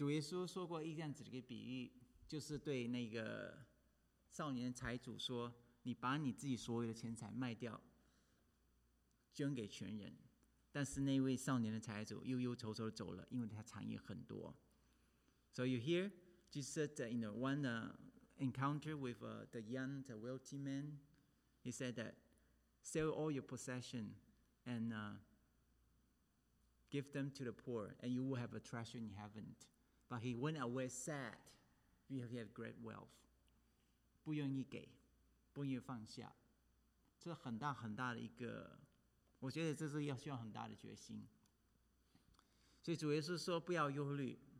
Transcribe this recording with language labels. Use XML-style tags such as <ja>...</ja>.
<zh>主耶稣说过一样子的比喻, 就是对那个少年财主说, 你把你自己所有的钱财卖掉, 捐给穷人。但是那位少年的财主悠悠愁愁地走了，因为他产业很多。</zh> <en>So you hear, Jesus said, in one encounter with the young, the wealthy man, he said that, sell all your possession and give them to the poor, and you will have a treasure in heaven. But he went away sad, because he had great wealth.</en> <zh>不愿意给，不愿意放下，这很大很大的一个。我觉得这是要需要很大的决心。所以主耶稣说不要忧虑，</zh>